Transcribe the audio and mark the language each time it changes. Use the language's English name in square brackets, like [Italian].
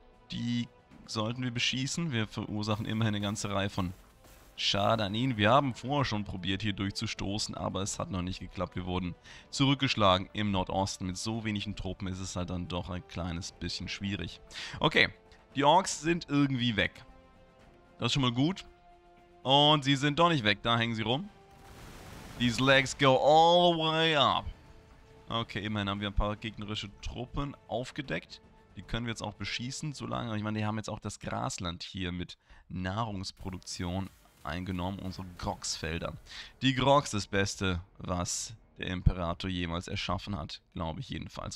[German] Die sollten wir beschießen. Wir verursachen immerhin eine ganze Reihe von Schaden an ihnen. Wir haben vorher schon probiert, hier durchzustoßen, aber es hat noch nicht geklappt. Wir wurden zurückgeschlagen im Nordosten. Mit so wenigen Truppen ist es halt dann doch ein kleines bisschen schwierig. Okay, die Orks sind irgendwie weg. Das ist schon mal gut. Und sie sind doch nicht weg. Da hängen sie rum. [English] These legs go all the way up. [German] Okay, immerhin haben wir ein paar gegnerische Truppen aufgedeckt. Die können wir jetzt auch beschießen, solange. Ich meine, die haben jetzt auch das Grasland hier mit Nahrungsproduktion eingenommen, unsere Groxfelder. Die Grox ist das Beste, was der Imperator jemals erschaffen hat, glaube ich jedenfalls.